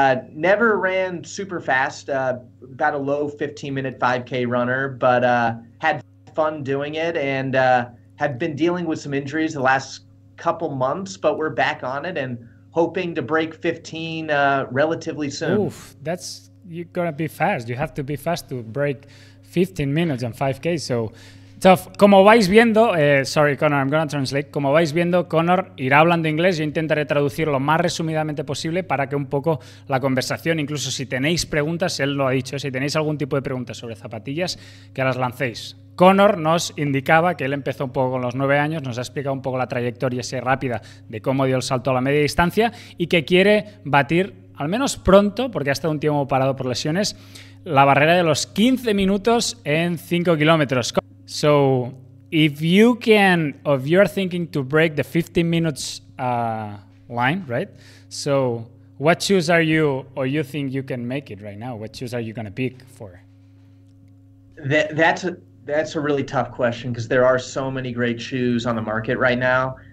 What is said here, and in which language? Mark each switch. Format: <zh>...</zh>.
<en>Never ran super fast, about a low 15-minute 5K runner, but had fun doing it and have been dealing with some injuries the last couple months, but we're back on it and hoping to break 15 relatively soon. Oof, that's, you're gonna be fast. You have to be fast to break 15 minutes and 5K, so tough.</en> <es>Como vais viendo,</es> <en>sorry Connor, I'm gonna translate.</en> <es>Como vais viendo, Connor irá hablando inglés. Yo intentaré traducir lo más resumidamente posible para que un poco la conversación, incluso si tenéis preguntas, él lo ha dicho, si tenéis algún tipo de preguntas sobre zapatillas, que las lancéis. Connor nos indicaba que él empezó un poco con los 9 años, nos ha explicado un poco la trayectoria así rápida de cómo dio el salto a la media distancia y que quiere batir, al menos pronto, porque ha estado un tiempo parado por lesiones, la barrera de los 15 minutos en 5 kilómetros.</es> <en>So, if you can, if you're thinking to break the 15 minutes line, right? So, what shoes are you, or you think you can make it right now? What shoes are you going to pick for? That's a really tough question because there are so many great shoes on the market right now.</en>